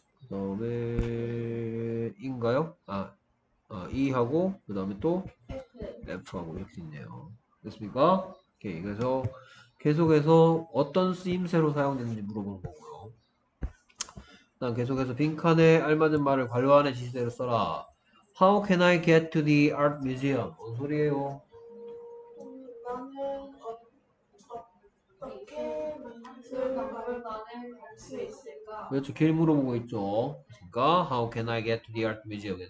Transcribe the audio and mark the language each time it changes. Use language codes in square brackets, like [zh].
[ko] 그다음에 인가요? 아, 이하고 그다음에 또 F하고 이렇게 있네요. 됐습니까? 오케이. 그래서 계속해서 어떤 쓰임새로 사용되는지 물어보는 거고요. 난 계속해서 빈칸에 알맞은 말을 관료한의 지시대로 써라. [en] How can I get to the art museum? [ko] 뭔 소리예요? 나는 어떻게 만들 나를 갈수 있을까? 그렇죠. 길 물어보고 있죠. 그러니까 [en] How can I get to the art museum?